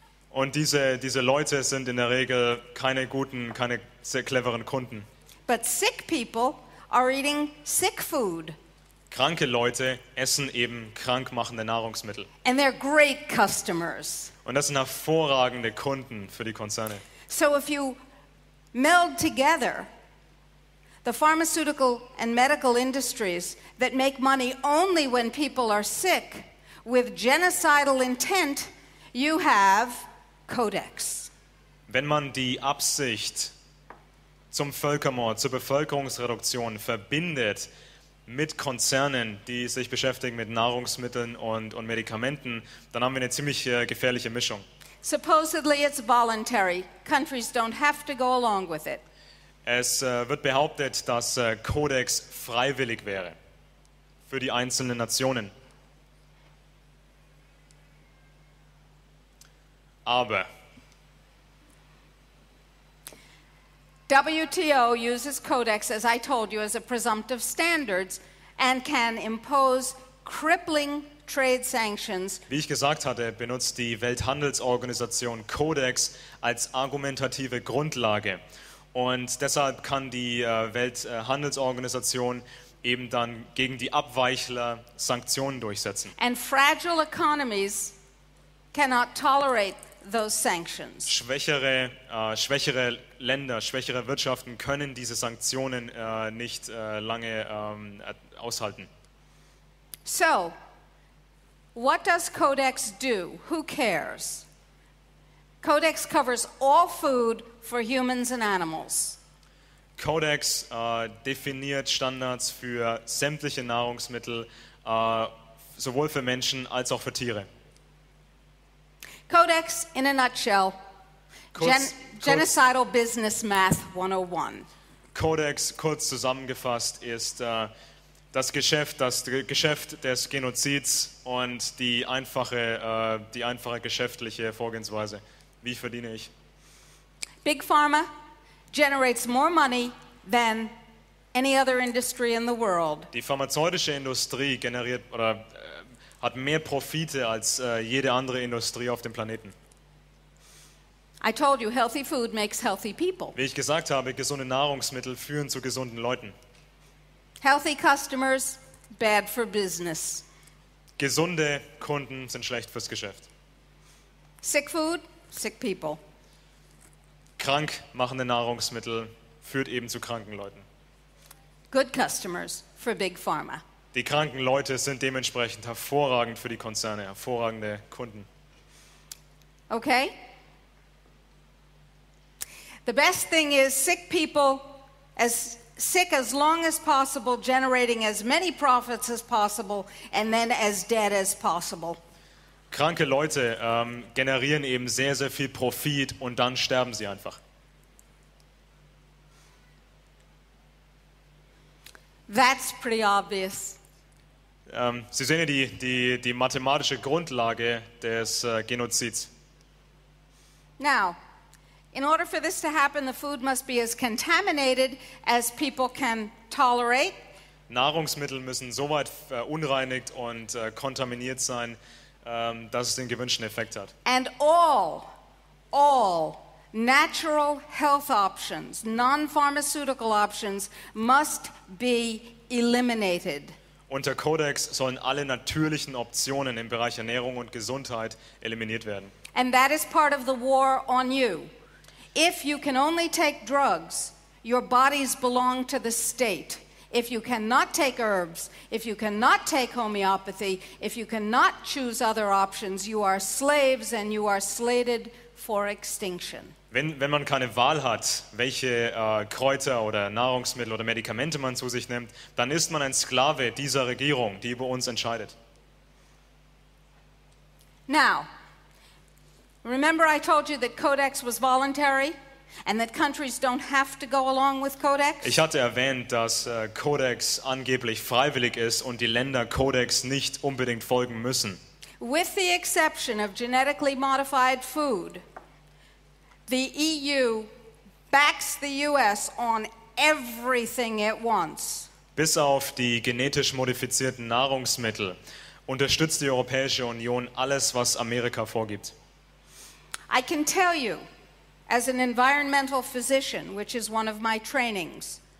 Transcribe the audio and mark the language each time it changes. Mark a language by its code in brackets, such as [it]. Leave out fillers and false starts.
[de] Und diese Leute sind in der Regel keine sehr cleveren Kunden. [en] But sick people are eating sick food. [de] Kranke Leute essen eben krankmachende Nahrungsmittel. [en] And they're great customers. [de] Und das sind hervorragende Kunden für die Konzerne. [en] So if you meld together the pharmaceutical and medical industries that make money only when people are sick with genocidal intent, you have Codex. [de] Wenn man die Absicht zum Völkermord, zur Bevölkerungsreduktion verbindet mit Konzernen, die sich beschäftigen mit Nahrungsmitteln und Medikamenten, dann haben wir eine ziemlich gefährliche Mischung. [en] Supposedly it's voluntary. Countries don't have to go along with it. [de] Es wird behauptet, dass Codex freiwillig wäre für die einzelnen Nationen. Aber [en] WTO uses Codex, as I told you, as a presumptive standards and can impose crippling trade sanctions. [de] Wie ich gesagt hatte, benutzt die Welthandelsorganisation Codex als argumentative Grundlage. Und deshalb kann die Welthandelsorganisation eben dann gegen die Abweichler Sanktionen durchsetzen. [en] And fragile economies cannot tolerate those sanctions. [de] Schwächere Länder, schwächere Wirtschaften können diese Sanktionen nicht lange aushalten. [en] So, what does Codex do? Who cares? Codex covers all food for humans and animals. [de] Codex definiert Standards für sämtliche Nahrungsmittel, sowohl für Menschen als auch für Tiere. [en] Codex in a nutshell. Genocidal Business Math 101. [de] Codex, kurz zusammengefasst, ist das Geschäft des Genozids und die einfache geschäftliche Vorgehensweise. Wie verdiene ich? [en] Big Pharma generates more money than any other industry in the world. [de] Die pharmazeutische Industrie generiert oder hat mehr Profite als jede andere Industrie auf dem Planeten. [en] I told you, healthy food makes healthy people. [de] Wie ich gesagt habe, gesunde Nahrungsmittel führen zu gesunden Leuten. [en] Healthy customers, bad for business. [de] Gesunde Kunden sind schlecht fürs Geschäft. [en] Sick food, sick people. [de] Krank machende Nahrungsmittel führt eben zu kranken Leuten. [en] Good customers for big pharma. [de] Die kranken Leute sind dementsprechend hervorragend für die Konzerne, hervorragende Kunden. [en] Okay. The best thing is sick people as sick as long as possible, generating as many profits as possible and then as dead as possible. [de] Kranke Leute generieren eben sehr, sehr viel Profit und dann sterben sie einfach. [en] That's pretty obvious. [de] Sie sehen ja die mathematische Grundlage des Genozids. [en] Now, in order for this to happen, the food must be as contaminated as people can tolerate. [de] Nahrungsmittel müssen so weit verunreinigt und kontaminiert sein, dass es den gewünschten Effekt hat. [en] And all natural health options, non-pharmaceutical options, must be eliminated. [de] Unter Codex sollen alle natürlichen Optionen im Bereich Ernährung und Gesundheit eliminiert werden. [en] And that is part of the war on you. If you can only take drugs, your bodies belong to the state. If you cannot take herbs, if you cannot take homeopathy, if you cannot choose other options, you are slaves and you are slated for extinction. [de] Wenn man keine Wahl hat, welche Kräuter oder Nahrungsmittel oder Medikamente man zu sich nimmt, dann ist man ein Sklave dieser Regierung, die über uns entscheidet. [en] Now, remember I told you that Codex was voluntary? And that countries don't have to go along with Codex. [de] Ich hatte erwähnt, dass Codex angeblich freiwillig ist und die Länder Codex nicht unbedingt folgen müssen. [en] With the exception of genetically modified food, the EU backs the US on everything it wants. [de] Bis auf die genetisch modifizierten Nahrungsmittel unterstützt die Europäische Union alles, was Amerika vorgibt. [en] I can tell you, as an environmental physician, which is one of my trainings.